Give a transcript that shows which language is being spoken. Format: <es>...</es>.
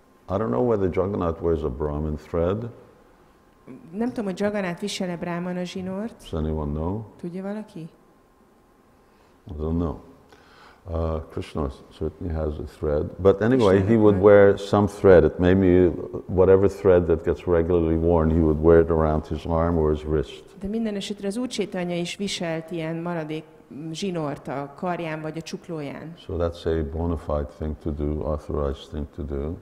<en>I don't know whether Jagannath wears a Brahmin thread.</en> <hu>Nem tudom, hogy Jagannath visel-e Brahmana zsinort.</hu> <en>Does anyone know?</en> <hu>Tudja valaki?</hu> <en>I don't know. Krishna certainly has a thread. But anyway, he would wear some thread. It may be whatever thread that gets regularly worn, he would wear it around his arm or his wrist.</en> <hu>De minden esetre az Úr Chaitanya is viselt ilyen maradék zsinort a karján vagy a csuklóján.</hu> <en>So that's a bona fide thing to do, authorized thing to do.</en>